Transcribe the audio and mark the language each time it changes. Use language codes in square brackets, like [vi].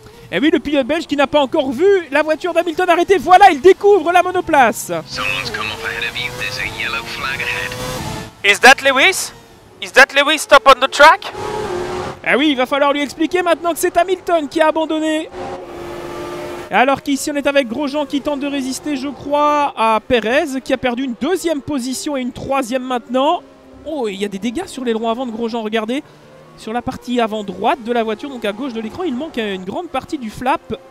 [fr] Et oui, le pilote belge qui n'a pas encore vu la voiture d'Hamilton arrêter. Voilà, il découvre la monoplace. [en] Someone's come up ahead of you. There's a yellow flag ahead. Is that Lewis? Is that Lewis stop on the track? [fr] Ah oui, il va falloir lui expliquer maintenant que c'est Hamilton qui a abandonné. Alors qu'ici on est avec Grosjean qui tente de résister, je crois, à Perez qui a perdu une deuxième position et une troisième maintenant. Oh, il y a des dégâts sur l'aileron avant de Grosjean, regardez. Sur la partie avant droite de la voiture, donc à gauche de l'écran, il manque une grande partie du flap.